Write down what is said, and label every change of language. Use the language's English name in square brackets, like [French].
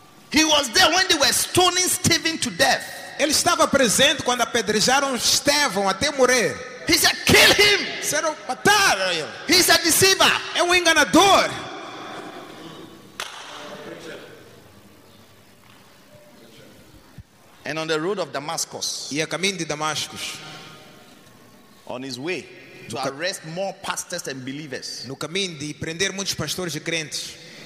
[English] He was there when they were stoning Stephen to death. [Portuguese] Ele estava presente quando apedrejaram Estevão até morrer. [English] He said, kill him. [Portuguese] Disseram, matar ele. [English] He's a deceiver. [Portuguese] É enganador. [English] And on the road of Damascus. [Portuguese] E a caminho de Damasco. [English] On his way to arrest more pastors and believers. [Portuguese] No caminho de prender muitos pastores e crentes.